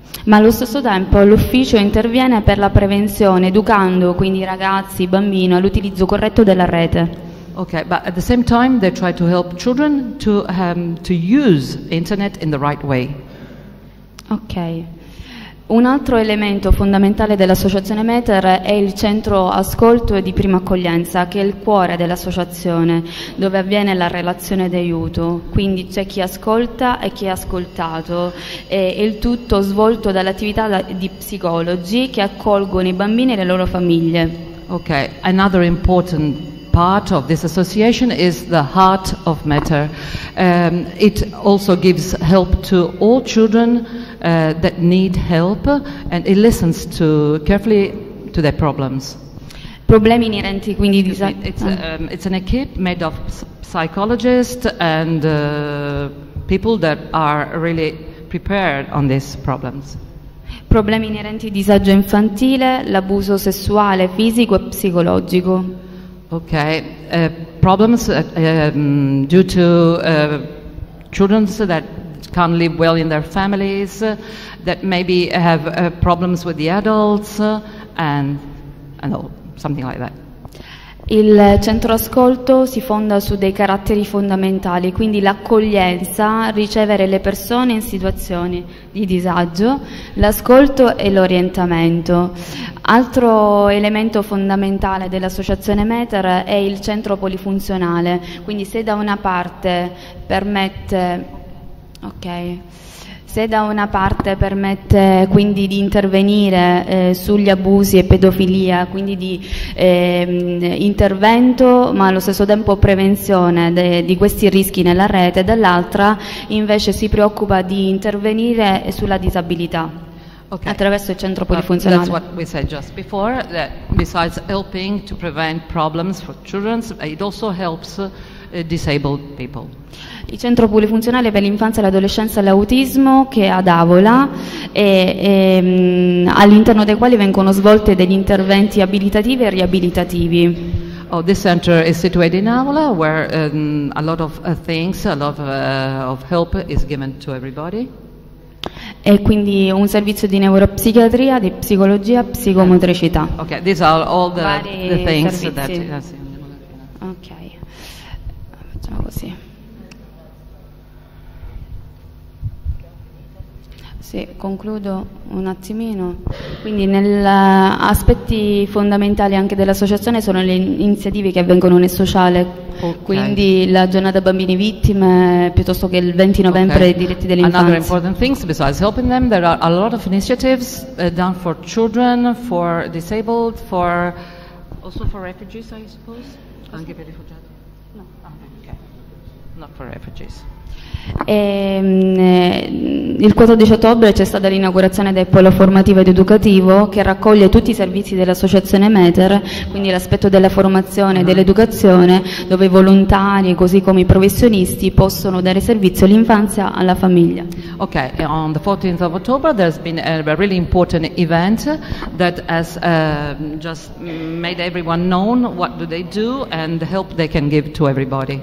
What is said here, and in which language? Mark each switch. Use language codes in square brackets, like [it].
[it] Ma allo stesso tempo l'ufficio interviene per la prevenzione, educando quindi i ragazzi, i bambini all'utilizzo corretto della rete. [en] Okay, but at the same time they try to help children to use internet in the right way. Okay. [it] Un altro elemento fondamentale dell'associazione Meter è il centro ascolto e di prima accoglienza, che è il cuore dell'associazione, dove avviene la relazione d'aiuto. Quindi c'è chi ascolta e chi è ascoltato, e il tutto svolto dall'attività di psicologi che accolgono i bambini e le loro famiglie. [en] Ok, another important part of this association is the heart of Meter. It also gives help to all children that need help, and it listens to carefully to their problems. [it] Problemi inerenti, quindi [en] it's an equip made of psychologists and people that are really prepared on these problems. [it] Problemi inerenti disagio infantile, l'abuso sessuale, fisico e psicologico. [en] Okay, problems due to children that can't live well in their families, that maybe have problems with the adults, and something like that. [it] Il centro ascolto si fonda su dei caratteri fondamentali, quindi l'accoglienza, ricevere le persone in situazioni di disagio, l'ascolto e l'orientamento. Altro elemento fondamentale dell'associazione METER è il centro polifunzionale, quindi se da una parte permette... Se da una parte permette quindi di intervenire sugli abusi e pedofilia, quindi di intervento, ma allo stesso tempo prevenzione di questi rischi nella rete, dall'altra invece si preoccupa di intervenire sulla disabilità. Okay. Attraverso il centro polifunzionale. [en] That's what we said just before, that besides helping to prevent problems for children, it also helps disabled people. [it] Il centro polifunzionale per l'infanzia, l'adolescenza e l'autismo, che è ad Avola, e all'interno dei quali vengono svolti degli interventi abilitativi e riabilitativi. [en] Oh, this center is situated in Avola, where a lot of things, a lot of help is given to everybody. [it] E quindi un servizio di neuropsichiatria, di psicologia, psicomotricità. [en] Ok, these are all the things [it] servizi. [en] That... [it] Ok, facciamo così. Sì, concludo un attimino. Quindi negli aspetti fondamentali anche dell'associazione sono le iniziative che avvengono nel sociale. [en] Okay. [it] Quindi la giornata bambini vittime piuttosto che il 20 novembre, okay, diritti dell'infanzia. [en] Another important thing besides helping them, there are a lot of initiatives done for children, for disabled, for also for refugees, I suppose. [it] Anche per rifugiati? [en] No. Okay. Not for refugees. [it] E, il 14 ottobre c'è stata l'inaugurazione del polo formativo ed educativo che raccoglie tutti i servizi dell'associazione METER, quindi l'aspetto della formazione e dell'educazione, dove i volontari così come i professionisti possono dare servizio all'infanzia e alla famiglia. [en] Ok, on the 14th of October there's been a really important event that has just made everyone known what do they do and the help they can give to everybody.